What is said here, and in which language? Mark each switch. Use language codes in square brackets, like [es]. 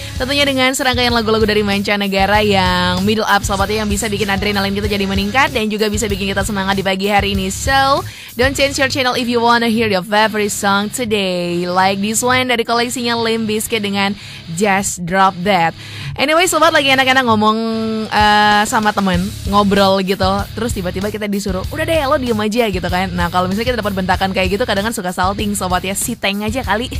[id] Tentunya dengan serangkaian lagu-lagu dari mancanegara yang middle up sobatnya, yang bisa bikin adrenalin kita jadi meningkat dan juga bisa bikin kita semangat di pagi hari ini. [en] So, don't change your channel if you wanna hear your favorite song today. [id] Like this one dari koleksinya Limp Bizkit dengan Just Drop That. Anyway sobat, lagi enak-enak ngomong sama temen, ngobrol gitu, terus tiba-tiba kita disuruh, udah deh lo diem aja gitu kan. Nah kalau misalnya kita dapat bentakan kayak gitu, kadang-kadang suka salting sobat ya, si tank aja kali.